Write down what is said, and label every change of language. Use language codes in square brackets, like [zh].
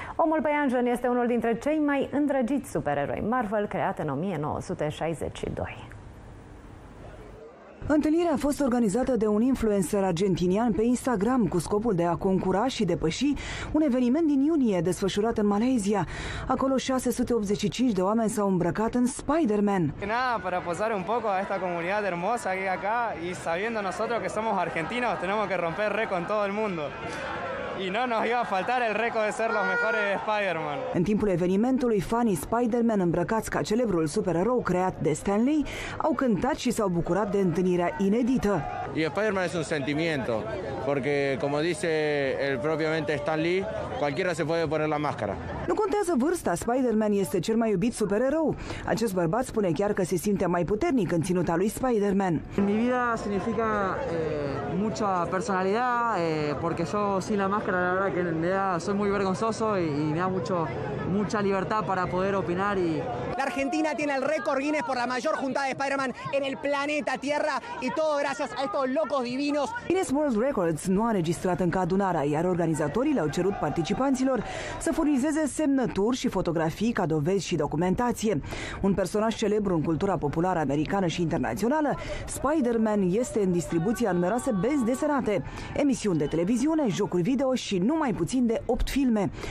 [ro] Omul Păianjen este unul dintre cei mai îndrăgiți supereroi Marvel, creat în 1962. Întâlnirea a fost organizată de un influencer argentinian pe Instagram cu scopul de a concura și depăși un eveniment din iunie desfășurat în Malaysia. Acolo 685 de oameni s-au îmbrăcat în Spider-Man. [es] Na, para posar un poco a esta comunidad hermosa que acá y sabiendo nosotros que somos argentinos, tenemos que romper récord en todo el mundo. Y no nos iba a faltar el récord de ser los mejores Spider-Man. [ro] În timpul evenimentului, fanii Spider-Man îmbrăcați ca celebrul supererou creat de Stan Lee au cântat și s-au bucurat de întâlnirea inedită. [es] Y Spider-Man es un sentimiento, porque como dice el propiamente Stan Lee, cualquiera se puede poner la máscara. [ro] Nu contează vârsta, Spider-Man este cel mai iubit supererou. Acest bărbat spune chiar că se simte mai puternic în ținuta lui Spider-Man. [es] Mi vida significa mucha personalidad, porque yo sin la máscara, la verdad que me da, soy muy vergonzoso y me da mucho, mucha libertad para poder opinar y... La Argentina tiene el récord Guinness por la mayor juntada de Spider-Man en el planeta Tierra y todo gracias a estos locos divinos. [ro] Guinness World Records nu a registrat încă adunarea, iar organizatorii le-au cerut participanților să furnizeze semnături și fotografii ca dovezi și documentație. Un personaj celebru în cultura populară americană și internațională, Spider-Man este în distribuția în numeroase benzi desenate, emisiuni de televiziune, jocuri video și numai puțin de 8 filme.